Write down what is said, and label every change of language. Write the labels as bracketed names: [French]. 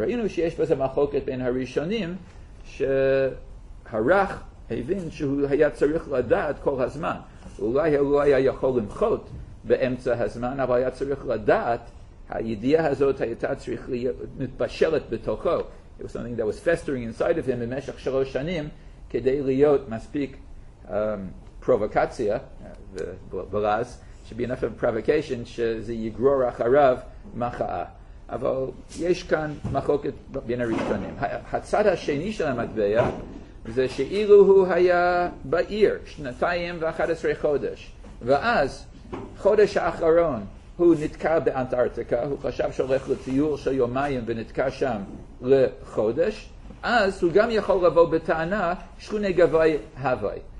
[Hebrew] ראינו שיש בזה מחוקת בין הראשונים, שהרח הבין שהוא היה צריך לדעת כל הזמן. אולי הוא לא היה יכול למחות באמצע הזמן, אבל היה צריך לדעת, הידיעה הזאת הייתה צריך להיות מתבשלת בתוכו. [English] It was something that was festering inside of him [Hebrew] במשך שלוש שנים, כדי להיות מספיק פרובוקציה, [English] ולאז, should be enough of a provocation, [Hebrew] שזה יגרור אחריו מחאה. אבל יש כאן מחוקת בין הראשונים. הצד השני של המטבע זה שאילו הוא היה בעיר שנתיים ואחת עשרה חודש, ואז חודש האחרון הוא נתקע באנטארקטיקה, הוא חשב שהולך לטיור של יומיים ונתקע שם לחודש, אז הוא גם יכול לבוא בטענה שכוני גבי הווי.